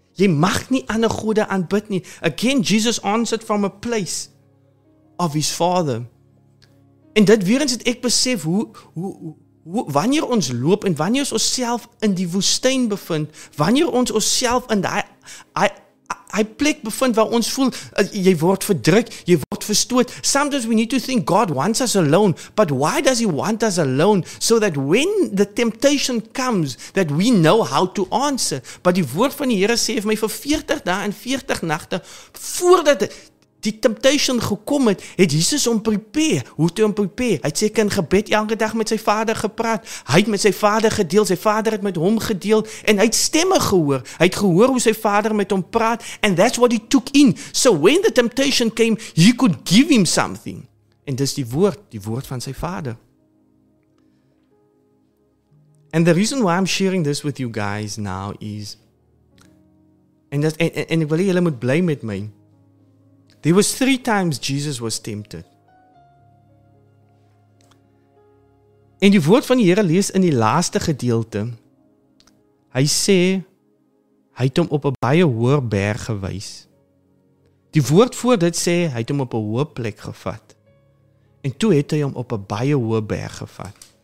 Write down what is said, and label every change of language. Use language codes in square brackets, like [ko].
[af] Jy mag nie ander gode aanbid nie. [en] Again, Jesus answered from a place of his Father. [af] En dit weer eens het ek besef, hoe wanneer ons loop, en wanneer ons onsself in die woestyn bevind, wanneer ons onsself in die plek bevind waar ons voel, jy word verdruk, jy word verstoot. [en] Sometimes we need to think God wants us alone, but why does he want us alone? So that when the temptation comes, that we know how to answer. [af] But die woord van die Here sê vir my, vir 40 dae en 40 nagte, voordat die temptation gekom het, het Jesus hom prepare. Hoe het hy hom prepare? Hy het seker in gebed elke dag met sy Vader gepraat. Hy het met sy Vader gedeel, sy Vader het met hom gedeel, en hy het stemme gehoor. Hy het gehoor hoe sy Vader met hom praat, [en] and that's what he took in. So when the temptation came, he could give him something. [af] En dis die woord van sy Vader. [en] And the reason why I'm sharing this with you guys now is, [af] en ek wil julle moet bly met my, [en] there was 3 times Jesus was tempted. [af] En die woord van die Here lees in die laaste gedeelte, hy sê, hy het hom op 'n baie hoër berg gewys. Die woord voor dit sê, hy het hom op 'n hoë plek gevat. En toe het hy hom op 'n baie hoë berg gevat.